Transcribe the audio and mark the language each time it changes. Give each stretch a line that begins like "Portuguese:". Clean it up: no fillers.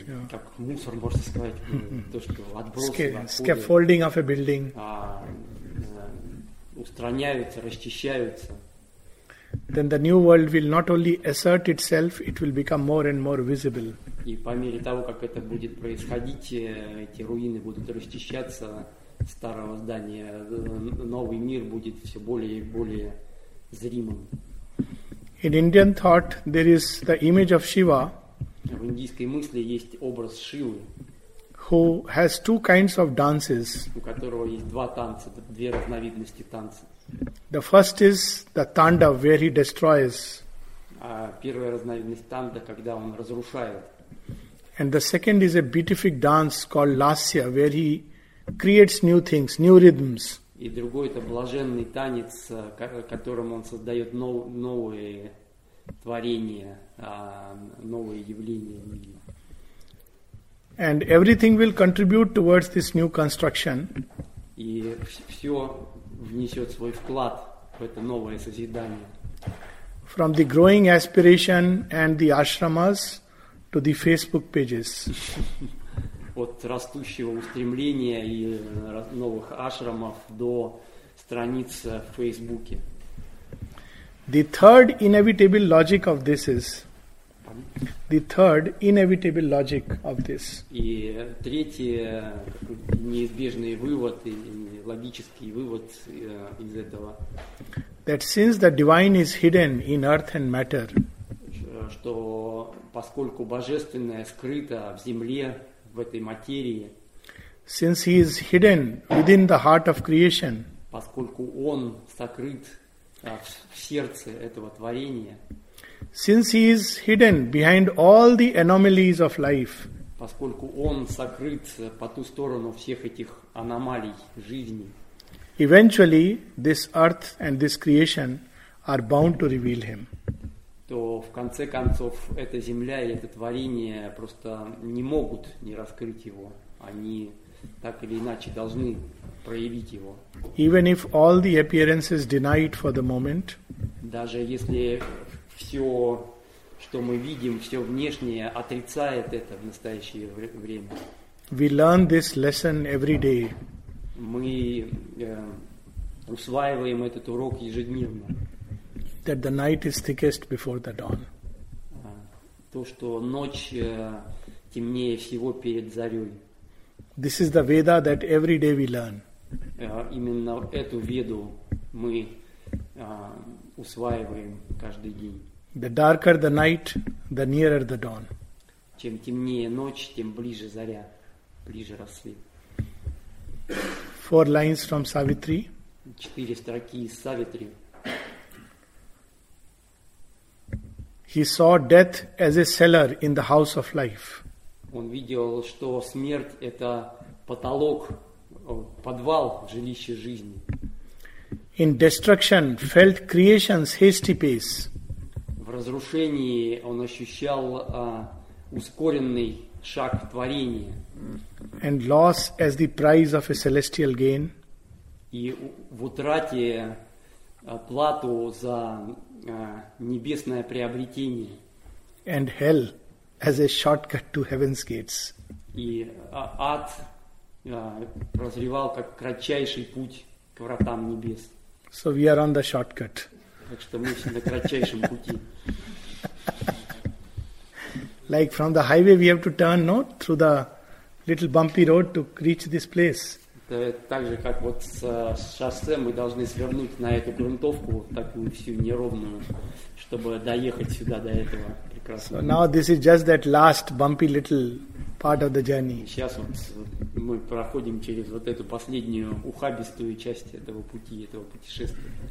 Russian: как мусор, можно сказать, то, что отбросы,
English: scaffolding of a building,
Russian: устраняются, расчищаются.
English: Then the new world will not only assert itself, it will become more and more visible.
Russian: И по мере того, как это будет происходить, эти руины будут расчищаться старого здания, новый мир будет все более и более зримым.
English: In Indian thought, there is the image of Shiva.
Russian: В индийской мысли есть образ Шивы,
English: who has two kinds of dances.
Russian: У которого есть два танца, две разновидности танца.
English: The first is the tanda, where he destroys.
Russian: Первая разновидность танда, когда он разрушает.
English: And the second is a beatific dance called Lasya, where he creates new things, new rhythms.
Russian: И другой это блаженный танец, которым он создает новые творения, новые явления в мире.
English: And everything will contribute towards this new construction.
Russian: И все внесет свой вклад в это новое созидание.
English: From the growing aspiration and the ashramas to the Facebook pages.
Russian: От растущего устремления и новых ашрамов до страниц в Фейсбуке.
English: The third inevitable logic of this.
Russian: И третий неизбежный вывод, логический вывод из этого.
English: That since the divine is hidden in earth and matter.
Russian: Что поскольку божественное скрыто в земле, в этой материи.
English: Since he is hidden within the heart of creation.
Russian: Поскольку он сокрыт в сердце этого творения.
English: Since he is hidden behind all the anomalies of life.
Russian: Поскольку он сокрыт по ту сторону всех этих аномалий жизни.
English: Eventually, this earth and this creation are bound to reveal him.
Russian: То в конце концов эта земля и это творение просто не могут не раскрыть его. Они так или иначе должны проявить его.
English: Even if all the appearances deny it for the moment.
Russian: Даже если все, что мы видим, все внешнее отрицает это в настоящее время.
English: We learn this lesson every day.
Russian: Мы усваиваем этот урок ежедневно.
English: That the night is thickest before the dawn.
Russian: То, что ночь темнее всего перед зарей.
English: This is the Veda that every day we learn.
Russian: Именно эту Веду мы усваиваем каждый день.
English: The darker the night, the nearer the dawn.
Russian: Чем темнее ночь, тем ближе заря, ближе рассвет.
English: Four lines from Savitri.
Russian: Четыре строки из Савитри.
English: He saw death as a cellar in the house of life.
Russian: Он видел, что смерть — это потолок, подвал, жилище жизни.
English: In destruction felt creation's hasty pace.
Russian: В разрушении он ощущал ускоренный шаг творения.
English: And loss as the price of a celestial gain.
Russian: И в утрате плату за небесное приобретение.
English: And hell as a shortcut to heaven's gates.
Russian: И ад прозревал как кратчайший путь к вратам небес.
English: So we are on the shortcut.
Russian: Так что мы на кратчайшем пути.
English: Like from the highway we have to turn, no? Through the little bumpy road to reach this place.
Russian: Это так же, как вот с шоссе мы должны свернуть на эту грунтовку, такую всю неровную, чтобы доехать сюда до этого прекрасного.
English: So now this is just that last bumpy little part of the journey.
Russian: Сейчас вот мы проходим через вот эту последнюю ухабистую часть этого пути, этого путешествия.